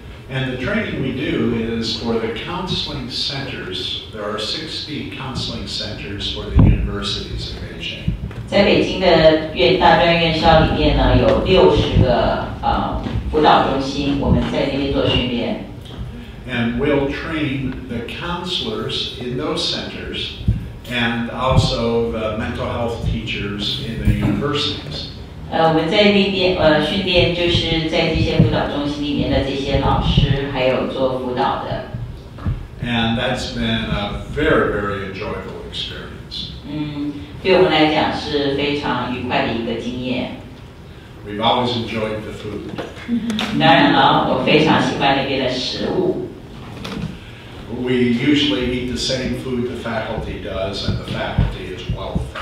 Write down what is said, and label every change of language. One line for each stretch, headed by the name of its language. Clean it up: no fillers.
English: And the training we do is for the counseling centers. There are 60 counseling centers for the universities in Beijing.
Chinese: 在北京的院大专院校里面呢，有60个辅导中心，我们在那边做训练。
English: And we'll train the counselors in those centers, and also the mental health teachers in the universities.
Chinese: 我们在那边训练就是在这些辅导中心里面的这些老师，还有做辅导的。
English: And that's been a very, very enjoyable experience.
Chinese: 对我们来讲是非常愉快的一个经验。
English: We've always enjoyed the food.
Chinese: 当然了，我非常喜欢那边的食物。
English: We usually eat the same food the faculty does, and the faculty is well